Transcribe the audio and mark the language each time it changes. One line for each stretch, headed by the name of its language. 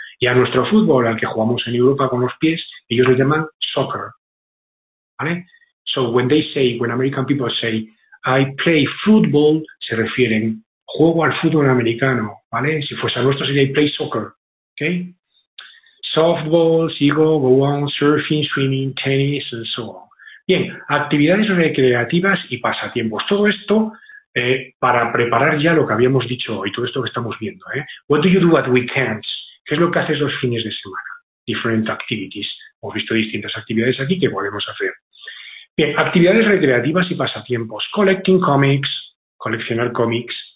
Spanish: Y a nuestro fútbol, al que jugamos en Europa con los pies, ellos lo llaman soccer, ¿vale?
English: So when American people say, I play football,
Spanish: se refieren, juego al fútbol americano, ¿vale? Si fuese a nuestro sería,
English: I play soccer,
Spanish: ¿ok?
English: Softball, go on, surfing, swimming, tennis, and so on.
Spanish: Bien, actividades recreativas y pasatiempos. Todo esto para preparar ya lo que habíamos dicho hoy, todo esto que estamos viendo, ¿eh?
English: What do you do at weekends?
Spanish: ¿Qué es lo que haces los fines de semana?
English: Different activities.
Spanish: Hemos visto distintas actividades aquí que podemos hacer. Bien, actividades recreativas y pasatiempos.
English: Collecting comics,
Spanish: coleccionar cómics.